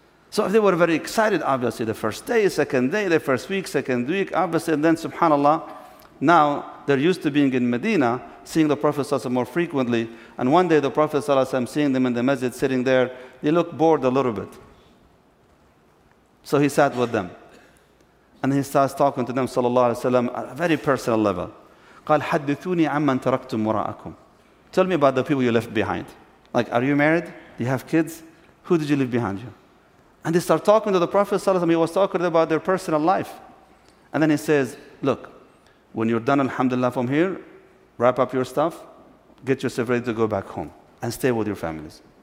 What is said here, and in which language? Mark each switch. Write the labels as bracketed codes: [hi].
[en] So they were very excited, obviously, the first day, second day, the first week, second week, obviously, and then subhanAllah, now they're used to being in Medina, seeing the Prophet sallallahu alaihi wasallam more frequently, and one day the Prophet sallallahu alaihi wasallam seeing them in the masjid sitting there, they look bored a little bit. So he sat with them, and he starts talking to them sallallahu alaihi wasallam at a very personal level. [ar] قال حدثوني عمن تركتم وراءكم. [en] Tell me about the people you left behind. Like, are you married? Do you have kids? Who did you leave behind you? And they start talking to the Prophet sallallahu alaihi wasallam. He was talking about their personal life, and then he says, look, when you're done, alhamdulillah, from here, wrap up your stuff, get yourself ready to go back home and stay with your families.